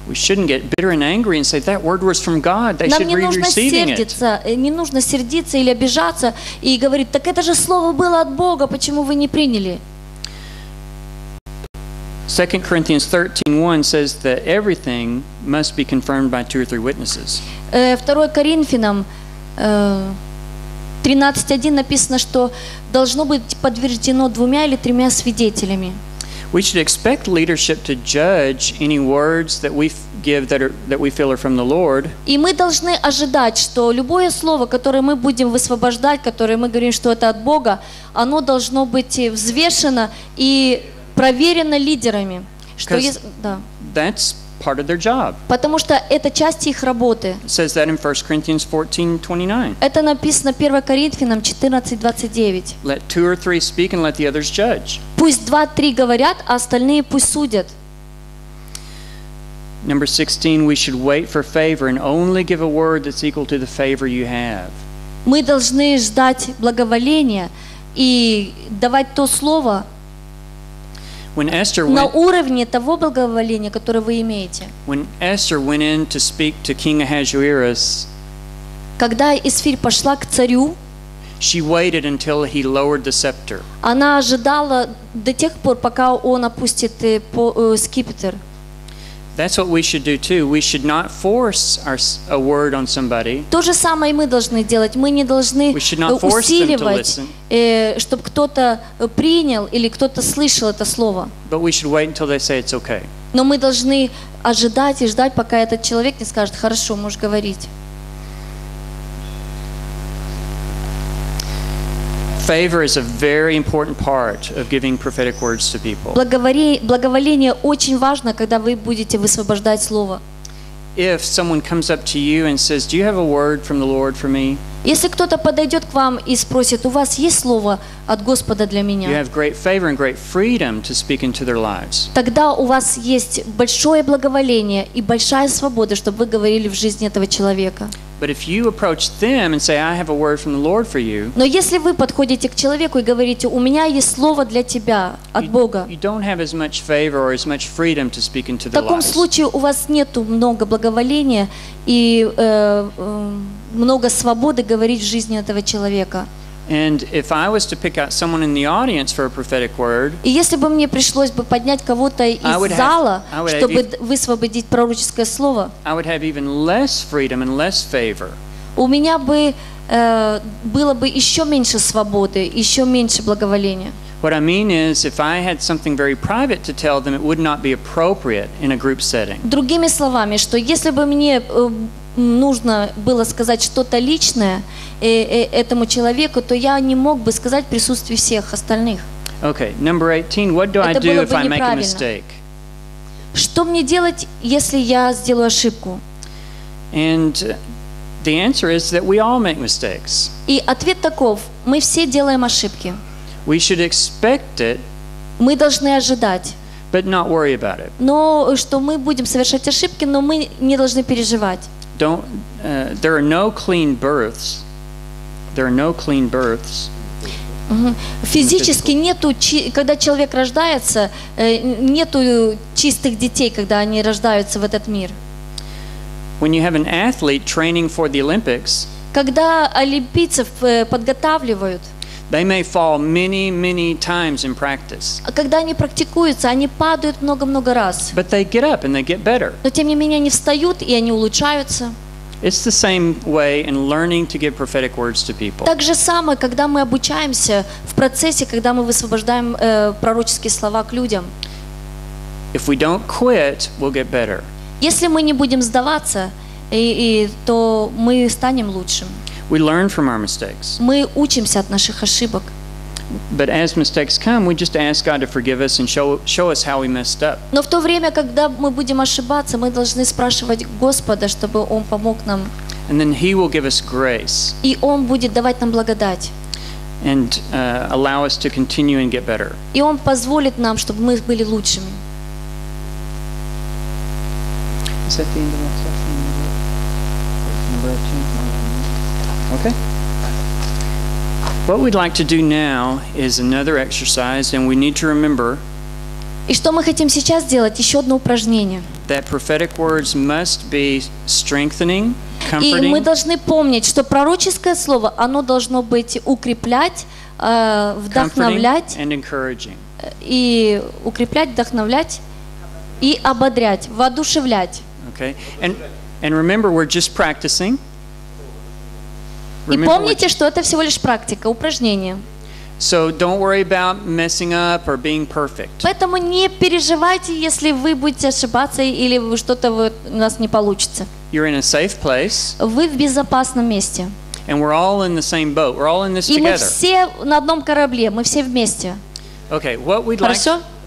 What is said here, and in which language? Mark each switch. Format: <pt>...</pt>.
<en>We shouldn't get bitter and angry and say that word was from God. They</en> <ru>Нам</ru> <en>should be receiving</en> <ru>сердиться,</ru> <en>it.</en> <ru>Не нужно сердиться или обижаться и говорить: так это же слово было от Бога, почему вы не приняли?</ru> <en>2 Corinthians 13:1 says that everything must be confirmed by two or three witnesses.</en> <ru>2 Коринфянам 13:1 написано, что должно быть подтверждено двумя или тремя свидетелями.</ru> <en>We should expect leadership to judge any words that we give that we feel are from the Lord.</en> <ru>И мы должны ожидать, что любое слово, которое мы будем высвобождать, которое мы говорим, что это от Бога, оно должно быть взвешено и проверено лидерами, что есть, да.</ru> <en>That's part of their job.</en> <ru>Потому что это часть их работы.</ru> <en>It says that in 1 Corinthians 14:29.</en> <ru>Это написано 1 Коринфянам 14:29.</ru> <en>Let two or three speak and let the others judge.</en> <ru>Пусть 2-3 говорят, а остальные пусть судят.</ru> <en>Number 16, we should wait for favor and only give a word that's equal to the favor you have.</en> <ru>Мы должны ждать благоволения и давать то слово на уровне того благоволения, которое вы имеете.</ru> <en>When Esther went in to speak to King Ahasuerus,</en> <ru>когда Эсфирь пошла к царю,</ru> <en>she waited until he lowered the scepter.</en> <ru>Она ожидала до тех пор, пока он опустит скипетр.</ru> <en>That's what we should do too. We should not force a word on somebody.</en> <ru>То же самое мы должны делать. Мы не должны усиливать, чтобы кто-то принял или кто-то слышал это слово.</ru> <en>But we should wait until they say it's okay.</en> <ru>Но мы должны ожидать и ждать, пока этот человек не скажет: хорошо, можешь говорить.</ru> <en>Favor is a very important part of giving prophetic words to people.</en> <ru>Благоволение очень важно, когда вы будете высвобождать слово.</ru> <en>If someone comes up to you and says, "Do you have a word from the Lord for me?"</en> <ru>Если кто-то подойдет к вам и спросит: "У вас есть слово от Господа для меня?"</ru> <en>You have great favor and great freedom to speak into their lives.</en> <ru>Тогда у вас есть большое благоволение и большая свобода, чтобы вы говорили в жизни этого человека.</ru> <en>But if you approach them and say, "I have a word from the Lord for you,"</en> <ru>но если вы подходите к человеку и говорите: "У меня есть слово для тебя от Бога,"</ru> <en>you don't have as much favor or as much freedom to speak into their lives.</en> <ru>В таком случае у вас нету много благоволения и много свободы говорить в жизни этого человека.</ru> <en>And if I was to pick out someone in the audience for a prophetic word,</en> <ru>и если бы мне пришлось бы поднять кого-то из зала, чтобы высвободить пророческое слово,</ru> <en>I would have even less freedom and less favor.</en> <ru>У меня бы было бы еще меньше свободы, еще меньше благоволения.</ru> <en>What I mean is, if I had something very private to tell them, it would not be appropriate in a group setting.</en> <ru>Другими словами, что если бы мне нужно было сказать что-то личное этому человеку, то я не мог бы сказать в присутствии всех остальных.</ru> <en>Okay, number 18. What do</en> <ru>это</ru> <en>I do if I make a mistake?</en> <ru>Что мне делать, если я сделаю ошибку?</ru> <en>And the answer is that we all make mistakes.</en> <ru>И ответ таков: мы все делаем ошибки.</ru> <en>We should expect it.</en> <ru>Мы должны ожидать.</ru> <en>But not worry about it.</en> <ru>Но что мы будем совершать ошибки, но мы не должны переживать.</ru> <en>There are no clean births. There are no clean births.</en> <ru>Физически нету, когда человек рождается, нету чистых детей, когда они рождаются в этот мир.</ru> <en>When you have an athlete training for the Olympics,</en> <ru>когда олимпийцев подготавливают,</ru> <en>they may fall many, many times in practice.</en> <ru>Когда они практикуются, они падают много-много раз.</ru> <en>But they get up and they get better.</en> <ru>Но тем не менее они встают и они улучшаются.</ru> <en>It's the same way in learning to give prophetic words to people.</en> <ru>Так же самое, когда мы обучаемся в процессе, когда мы высвобождаем пророческие слова к людям.</ru> <en>If we don't quit, we'll get better.</en> <ru>Если мы не будем сдаваться, то мы станем лучшим.</ru> <en>We learn from our mistakes.</en> <ru>Мы учимся от наших ошибок.</ru> <en>But as mistakes come, we just ask God to forgive us and show us how we messed up.</en> <ru>Но в то время, когда мы будем ошибаться, мы должны спрашивать Господа, чтобы Он помог нам.</ru> <en>And then He will give us grace.</en> <ru>И Он будет давать нам благодать.</ru> <en>And allow us to continue and get better.</en> <ru>И Он позволит нам, чтобы мы были лучшими.</ru> <en>Is that the end of that section? Number 18. Okay. What we'd like to do now is another exercise, and we need to remember</en> <ru>И что мы хотим сейчас сделать? Еще одно упражнение.</ru> <en>That prophetic words must be strengthening, comforting.</en> <ru>И мы должны помнить, что пророческое слово, оно должно быть укреплять, вдохновлять.</ru> <en>And encouraging.</en> <ru>И укреплять, вдохновлять и ободрять, воодушевлять.</ru> <en>Okay. And remember, we're just practicing.</en> <ru>И помните, что это всего лишь практика, упражнение.</ru> <en>So don't worry about messing up or being perfect.</en> <ru>Поэтому не переживайте, если вы будете ошибаться или что-то у нас не получится.</ru> <en>You're in a safe place.</en> <ru>Вы в безопасном месте.</ru> <en>And we're all in the same boat. We're all in this together.</en> <ru>И мы все на одном корабле. Мы все вместе.</ru> <en>Okay. What we'd like.</en> <ru>Хорошо?</ru>